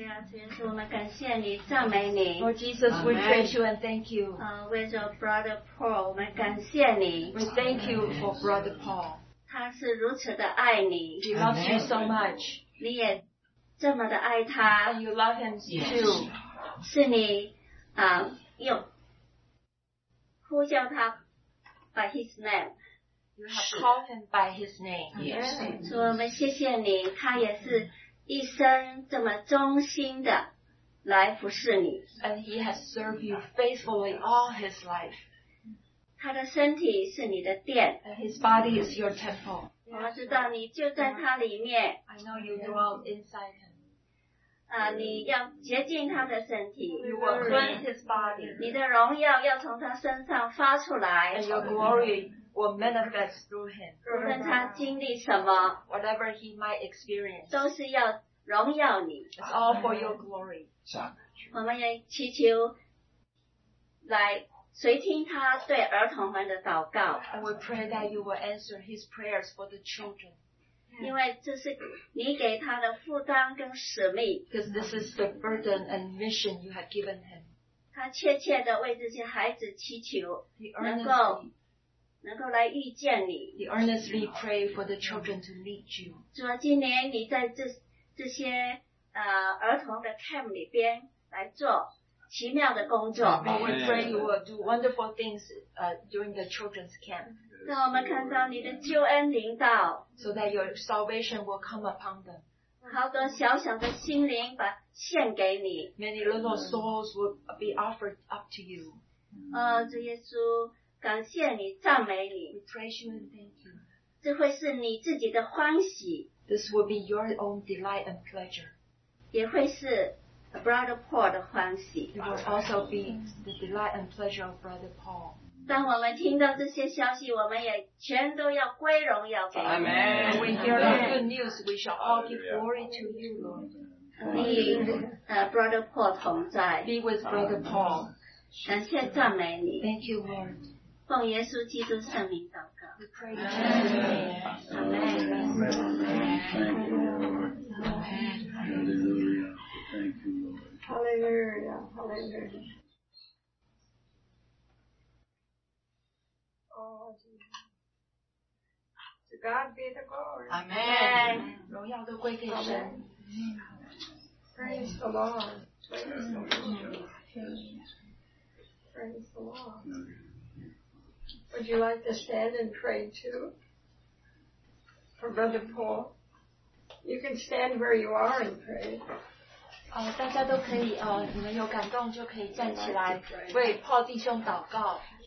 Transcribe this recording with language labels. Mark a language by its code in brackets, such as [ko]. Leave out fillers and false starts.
[zh] 主耶稣我们感谢你赞美你 [en] Lord Jesus we praise you and thank you [zh] 为着 Brother Paul 我们感谢你 [en] We thank you for Brother Paul [zh] 他是如此的爱你 [en] He loves you so much [zh] 你也这么的爱他 [en] And you love him too [zh] 是你 呼叫他 [en] by his name You have called him by his name [zh] 主我们谢谢你 他也是 一生这么忠心的来服侍你 [en] And he has served you faithfully all his life [zh] 他的身体是你的殿 [en] And his body is your temple [zh] 我知道你就在他里面 [en] I know you dwell inside him [zh] 你要洁净他的身体 [en] You will cleanse his body [zh] 你的荣耀要从他身上发出来 [en] And your glory will manifest through him [zh] 无论他经历什么 [en] Whatever he might experience [zh] 都是要 荣耀你, [en] it's all for your glory. [zh] 我们也祈求来垂听他对儿童们的祷告。 [en] And we pray that you will answer his prayers for the children. [zh] 因为这是你给他的负担跟使命。 [en] Because this is the burden and mission you have given him. [zh] 他切切地为这些孩子祈求，能够来遇见你。 [en] He earnestly pray for the children to meet you. [zh] 主啊，今年你在这些儿童的 camp 里边来做奇妙的工作。 [en] And we pray you will do wonderful things during the children's camp. [zh] 让我们看到你的救恩临到。 [en] So that your salvation will come upon them. [zh] 好多小小的心灵把献给你。 [en] Many little souls will be offered up to you. [zh] 主耶稣，感谢你，赞美你。 [en] We praise you and thank you. [zh] 这会是你自己的欢喜。 [en] This will be your own delight and pleasure. [zh] 也会是Brother Paul 的欢喜。 [en] It will also be the delight and pleasure of Brother Paul. [zh] 当我们听到这些消息，我们也全都要归荣耀给你。 [en] Amen. When we hear the good news, we shall all give glory to you, Lord. [zh] 与Brother Paul 同在。 [en] Be with Brother Paul. [zh] 感谢赞美你。 [en] Thank you, Lord. [zh] 奉耶稣基督圣名祷告。 [en] We pray in Jesus' name. Amen. Amen. Thank you, Lord. Amen. Hallelujah. Thank you, Lord. Hallelujah. Hallelujah. Oh, to God be the glory. Amen. Amen. Praise the Lord. Praise the Lord. Praise the Lord. Would you like to stand and pray too? For Brother Paul? You can stand where you are and pray. [zh] 大家都可以你们有感动就可以站起来为Paul弟兄祷告。